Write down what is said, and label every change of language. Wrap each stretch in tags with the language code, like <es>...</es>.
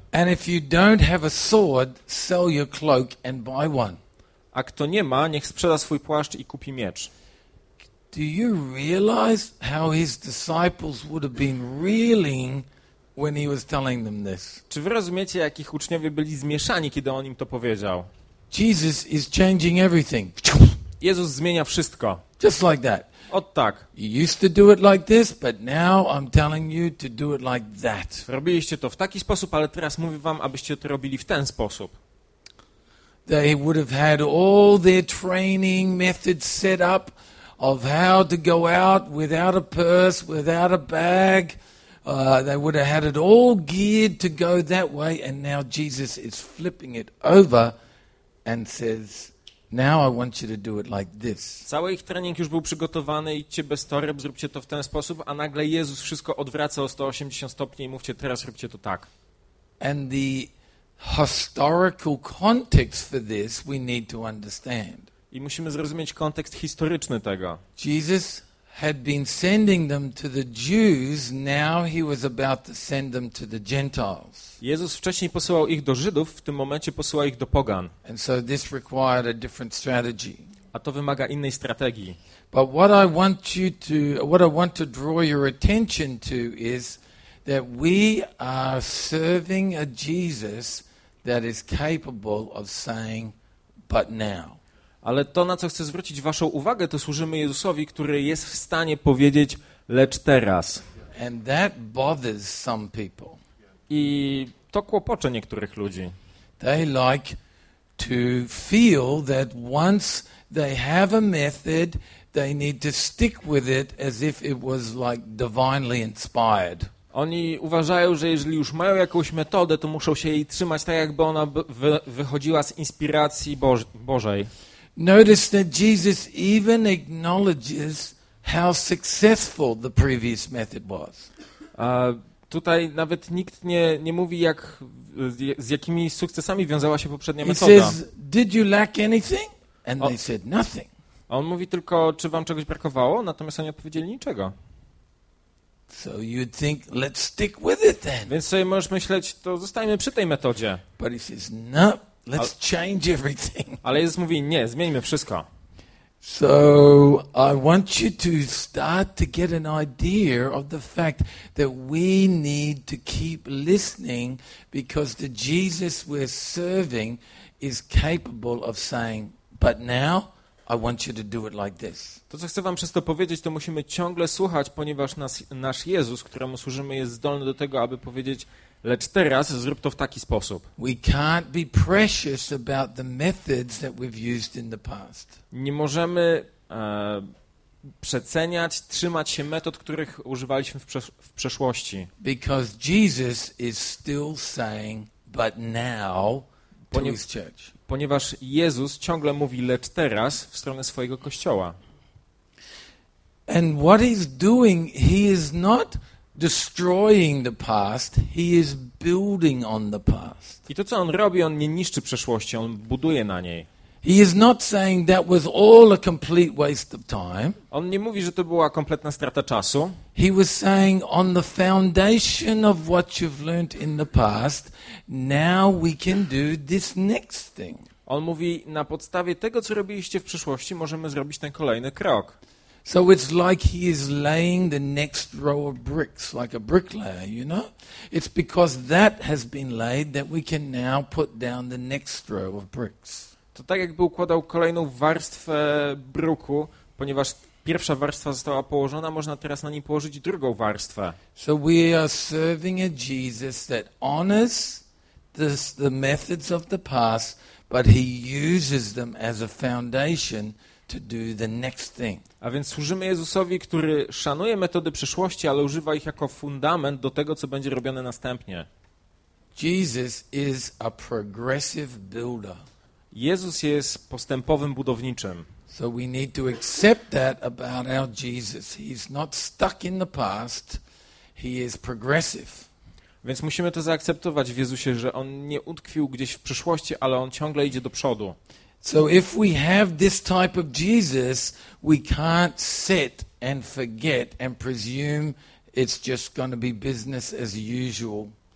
<en>And if you don't have a sword, sell your cloak and buy one.</en> <pl>A kto nie ma, niech sprzeda swój płaszcz i kupi miecz.</pl> <en>Do you realize how his disciples would have been reeling when he was telling them this?</en> <pl>Czy wy rozumiecie, jak ich uczniowie byli zmieszani, kiedy on im to powiedział?</pl> <en>Jesus is changing everything.</en> <pl>Jezus zmienia wszystko.</pl> <en>Just like that.</en> <pl>Ot tak.</pl> <en>You used to do it like this, but now I'm telling you to do it like that.</en> <pl>Robiliście to w taki sposób, ale teraz mówię wam, abyście to robili w ten sposób.</pl> <en>They would have had all their training methods set up of how to go out without a purse, without a bag. They would have had it all geared to go that way, and now Jesus is flipping it over. And says, now I want you to do it like this.</en> <pl>Cały ich trening już był przygotowany, idźcie bez toreb, zróbcie to w ten sposób, a nagle Jezus wszystko odwraca o 180 stopni i mówcie, teraz róbcie to tak.</pl> <en>And the historical context for this we need to understand.</en> <pl>I musimy zrozumieć kontekst historyczny tego.</pl> <en>Jesus had been sending them to the Jews, now he was about to send them to the Gentiles.</en> <pl>Jezus wcześniej posyłał ich do Żydów, w tym momencie posyła ich do pogan.</pl> <en>And so this required a different strategy.</en> <pl>A to wymaga innej strategii.</pl> <en>But what I want to draw your attention to is that we are serving a Jesus that is capable of saying, but now.</en> <pl>Ale to, na co chcę zwrócić waszą uwagę, to służymy Jezusowi, który jest w stanie powiedzieć, lecz teraz.</pl> <en>And that bothers some people.</en> <pl>I to kłopocze niektórych ludzi.</pl> <en>They like to feel that once they have a method, they need to stick with it as if it was like divinely inspired.</en> <pl>Oni uważają, że jeżeli już mają jakąś metodę, to muszą się jej trzymać tak, jakby ona wychodziła z inspiracji Bożej.</pl> <en>Notice that Jesus even acknowledges how successful the previous method was.</en> <pl>Tutaj nawet nikt nie mówi, jak z jakimi sukcesami wiązała się poprzednia metoda.</pl> <en>He says, "Did you lack anything?" And they said nothing.</en> <pl>On mówi tylko, czy wam czegoś brakowało, natomiast oni odpowiedzieli niczego.</pl> <en>So you think, let's stick with it then.</en> <pl>Więc sobie możesz myśleć, to zostajmy przy tej metodzie.</pl> <en>But he says, no, let's change everything.</en> <pl>Ale Jezus mówi, nie, zmieńmy wszystko.</pl> <en>So I want you to start to get an idea of the fact that we need to keep listening because the Jesus we're serving is capable of saying, but now I want you to do it like this.</en> <pl>To, co chcę wam przez to powiedzieć, to musimy ciągle słuchać, ponieważ nasz Jezus, któremu służymy, jest zdolny do tego, aby powiedzieć, lecz teraz zrób to w taki sposób.</pl> <en>We can't be precious about the methods that we've used in the past.</en> <pl>Nie możemy przeceniać, trzymać się metod, których używaliśmy w przeszłości.</pl> <en>Because Jesus is still saying, but now to his church.</en> <pl>Ponieważ Jezus ciągle mówi, lecz teraz, w stronę swojego Kościoła.</pl> <en>And what he's doing, he is not destroying the past, he is building on the past.</en> <pl>I to, co on robi, on nie niszczy przeszłości, on buduje na niej.</pl> <en>He is not saying that was all a complete waste of time.</en> <pl>On nie mówi, że to była kompletna strata czasu.</pl> <en>He was saying on the foundation of what you've learned in the past, now we can do this next thing.</en> <pl>On mówi, na podstawie tego, co robiliście w przeszłości, możemy zrobić ten kolejny krok.</pl> <en>So it's like he is laying the next row of bricks, like a bricklayer, you know? It's because that has been laid that we can now put down the next row of bricks.</en> <pl>To tak, jakby układał kolejną warstwę bruku, ponieważ pierwsza warstwa została położona, można teraz na niej położyć drugą warstwę.</pl> <en>So we are serving a Jesus that honors the methods of the past, but he uses them as a foundation to do the next thing.</en> <pl>A więc służymy Jezusowi, który szanuje metody przeszłości, ale używa ich jako fundament do tego, co będzie robione następnie.</pl> <en>Jesus is a progressive builder.</en> <pl>Jezus jest postępowym budowniczym.</pl> <en>So we need to accept that about our Jesus. He's not stuck in the past. He is progressive.</en> <pl>Więc musimy to zaakceptować w Jezusie, że on nie utkwił gdzieś w przeszłości, ale on ciągle idzie do przodu.</pl> <en>So if we have this type of Jesus, we can't sit and forget and presume it's just going to be business as usual.</en>